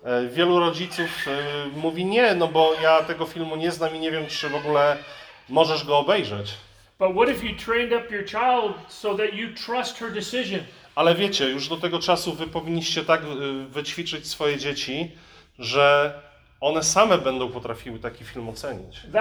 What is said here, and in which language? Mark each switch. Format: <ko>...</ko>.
<pl>Wielu rodziców mówi nie, no bo ja tego filmu nie znam i nie wiem, czy w ogóle możesz go obejrzeć.</pl> <en>But what if you trained up your child so that you trust her decision?</en> <pl>Ale wiecie, już do tego czasu wy powinniście tak wyćwiczyć swoje dzieci, że one same będą potrafiły taki film ocenić.</pl>